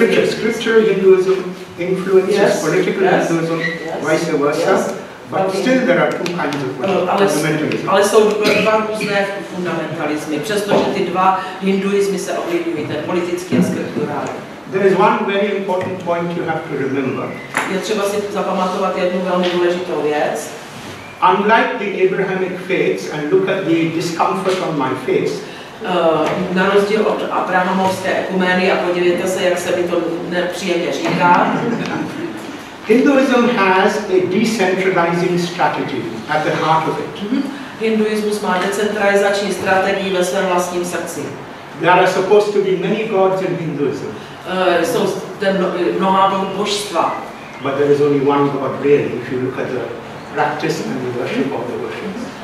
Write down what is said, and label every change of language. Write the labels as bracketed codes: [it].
[en] scriptural Hinduism influences political Hinduism, vice versa, but still there are two kinds of fundamentalism. [cs] Ale jsou dva různé fundamentalismy, přestože ty dva hinduismy se ovlivňují, ten politický a skriptural. [en] There is one very important point you have to remember. [cs] Je třeba si zapamatovat jednu velmi důležitou věc. [en] Unlike the Abrahamic faiths, and look at the discomfort on my face. [cs] Na rozdíl od abrahamovské ekumény a podívejte se, jak se mi to nepříjemně říká. [en] Hinduism has a decentralizing strategy at the heart of it. [cs] Hinduismus má decentralizační strategii ve svém vlastním srdci. [en] There are supposed to be many gods in Hinduism. [cs] Jsou zde mnohá božstva. [en] But there is only one God really, if you look at the practice and the worship of the worshipers.